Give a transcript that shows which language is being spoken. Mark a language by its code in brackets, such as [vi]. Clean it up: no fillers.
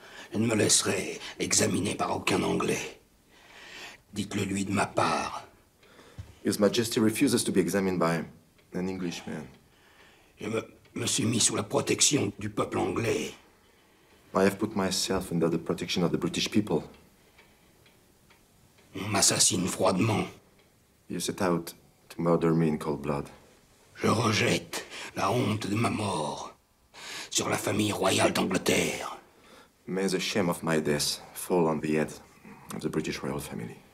[fr] Je ne me laisserai examiner par aucun Anglais. Dites-le lui de ma part. [en] His Majesty refuses to be examined by an Englishman. [fr] Je me suis mis sous la protection du peuple anglais. [en] I have put myself under the protection of the British people. [fr] On m'assassine froidement. [en] You set out to murder me in cold blood. [fr] Je rejette la honte de ma mort sur la famille royale d'Angleterre. [en] May the shame of my death fall on the head of the British royal family.